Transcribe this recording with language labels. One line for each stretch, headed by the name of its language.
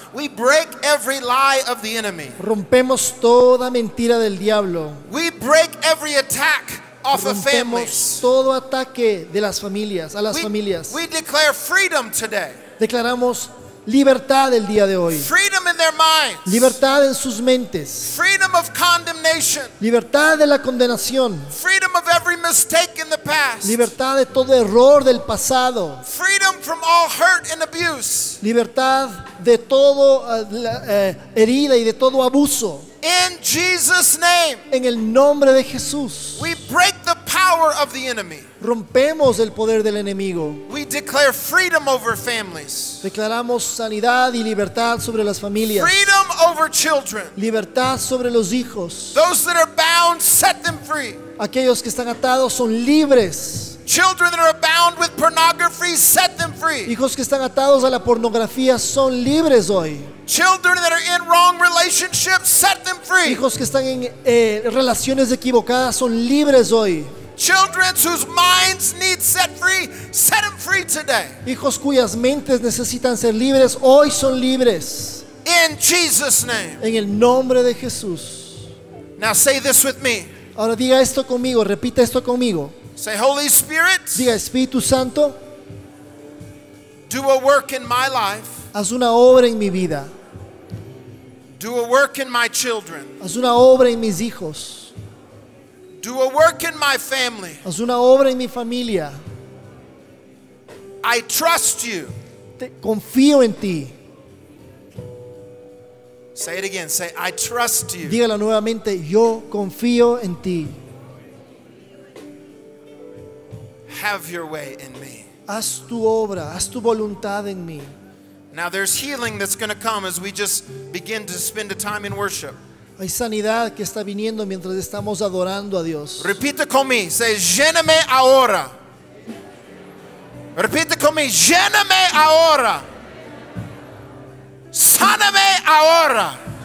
English: We break every lie of the enemy.
Spanish: Rompemos toda mentira del diablo.
English: We break every attack off of families.
Spanish: Rompemos todo ataque de las familias, a las familias.
English: We declare freedom today.
Spanish: Declaramos libertad el día de hoy.
English: Freedom in their minds.
Spanish: Libertad en sus mentes.
English: Freedom of condemnation.
Spanish: Libertad de la condenación.
English: Freedom of every mistake in the past.
Spanish: Libertad de todo error del pasado.
English: Freedom from all hurt and abuse.
Spanish: Libertad de todo herida y de todo abuso.
English: In Jesus' name.
Spanish: En el nombre de Jesús.
English: We break the power of the enemy.
Spanish: Rompemos el poder del enemigo.
English: We declare freedom over families.
Spanish: Declaramos sanidad y libertad sobre las familias.
English: Freedom over children.
Spanish: Libertad sobre los hijos.
English: Those that are bound, set them free.
Spanish: Aquellos que están atados son libres.
English: Children that are bound with pornography, set them free.
Spanish: Hijos que están atados a la pornografía son libres hoy.
English: Children that are in wrong relationships, set them free.
Spanish: Hijos que están en relaciones equivocadas son libres hoy.
English: Children whose minds need set them free today.
Spanish: Hijos cuyas mentes necesitan ser libres hoy son libres.
English: In Jesus' name.
Spanish: En el nombre de Jesús.
English: Now say this with me.
Spanish: Ahora diga esto conmigo. Repita esto conmigo.
English: Say Holy Spirit.
Spanish: Diga Espíritu Santo.
English: Do a work in my life.
Spanish: Haz una obra en mi vida.
English: Do a work in my children.
Spanish: Haz una obra en mis hijos.
English: Do a work in my family.
Spanish: Haz una obra en mi familia.
English: I trust you.
Spanish: Confío en ti.
English: Say it again. Say, I trust you.
Spanish: Dígalo nuevamente. Yo confío en ti.
English: Have your way in me.
Spanish: Haz tu obra. Haz tu voluntad en mí.
English: Now there's healing that's going to come as we just begin to spend the time in worship.
Spanish: Hay sanidad que está viniendo mientras estamos adorando a Dios. Repite conmigo, say, lléname ahora. Repite conmigo, lléname ahora. Sáname ahora.